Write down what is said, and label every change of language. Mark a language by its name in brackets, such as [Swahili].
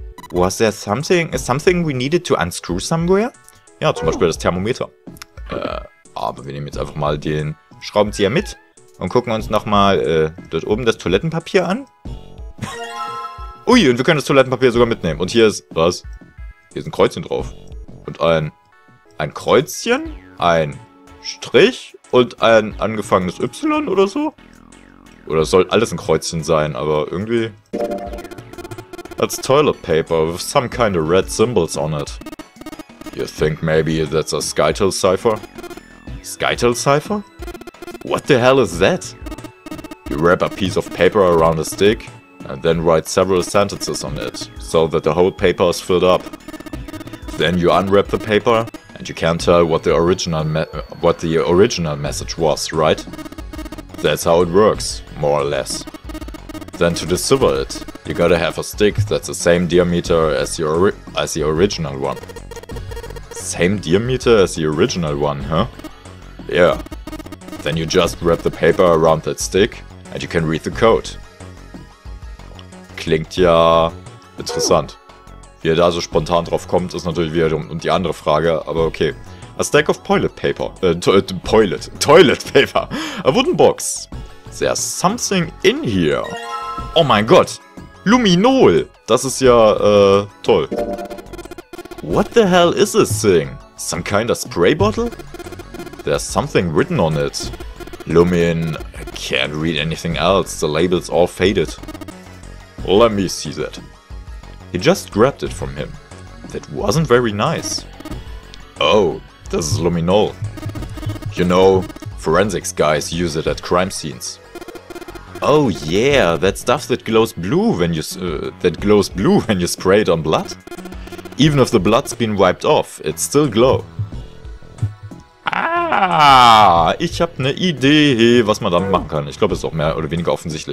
[English] Was there something we needed to unscrew somewhere? [German] Ja, zum Beispiel das Thermometer. Aber wir nehmen jetzt einfach mal den Schraubenzieher mit und gucken uns nochmal dort oben das Toilettenpapier an. Ui, und wir können das Toilettenpapier sogar mitnehmen. Und hier ist, was? Hier ist ein Kreuzchen drauf. Und ein Kreuzchen, ein Strich und ein angefangenes Y oder so. Oder soll alles ein Kreuzchen sein, aber irgendwie... [English] That's toilet paper with some kind of red symbols on it. You think maybe that's a Skytel cipher? Skytel cipher? What the hell is that? You wrap a piece of paper around a stick and then write several sentences on it so that the whole paper is filled up. Then you unwrap the paper and you can't tell what the original message was, right? That's how it works, more or less. Then to decipher it, you gotta have a stick that's the same diameter as the original one. Same diameter as the original one, huh? Yeah. Then you just wrap the paper around that stick and you can read the code. [German] Klingt ja interessant. Wie er da so spontan drauf kommt, ist natürlich wiederum die andere Frage, aber okay. [English] A stack of toilet paper. Toilet paper. A wooden box. There's something in here. [German] Oh mein Gott. Luminol. Das ist ja, toll. [English] What the hell is this thing? Some kind of spray bottle? There's something written on it. Lumin. I can't read anything else. The label's all faded. Let me see that. He just grabbed it from him. That wasn't very nice. Oh. This is luminol. You know, forensics guys use it at crime scenes. Oh yeah, that stuff that glows blue when you spray it on blood. Even if the blood's been wiped off, it's still glow. [German] Ah, ich hab ne Idee, was man damit machen kann. Ich glaube, es ist auch mehr oder weniger offensichtlich.